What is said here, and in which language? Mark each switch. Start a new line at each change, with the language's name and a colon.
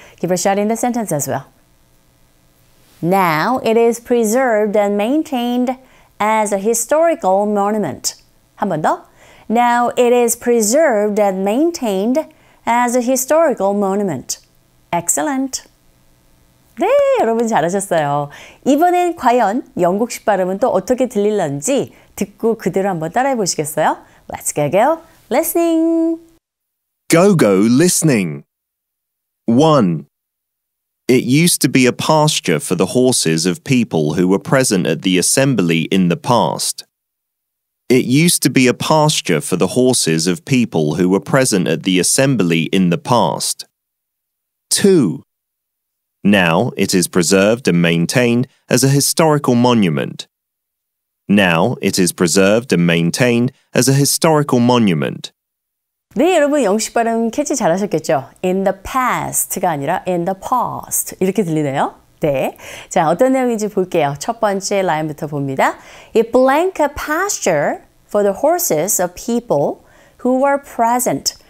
English: Give a shot in the sentence as well. Now it is preserved and maintained as a historical monument.
Korean: 한 번 더.
English: Now it is preserved and maintained as a historical monument. Excellent.
Korean: 네, 여러분 잘하셨어요. 이번엔 과연 영국식 발음은 또 어떻게 들릴런지 듣고 그대로 한번 따라해 보시겠어요?
English: Let's go go listening. Go go listening. 1. It used to be a pasture for the horses of people who were present at the assembly in the past. It used to be a pasture for the horses of people who were present at the assembly in the past. 2. Now it is preserved and maintained as a historical monument. Now it is preserved and maintained as a historical monument.
Korean: 네, 여러분 영식 발음 캐치 잘하셨겠죠?
English: In the past가 아니라 in the past
Korean: 이렇게 들리네요. 네, 자 어떤 내용인지 볼게요. 첫 번째 라인부터 봅니다.
English: It blank a pasture for the horses of people who were present.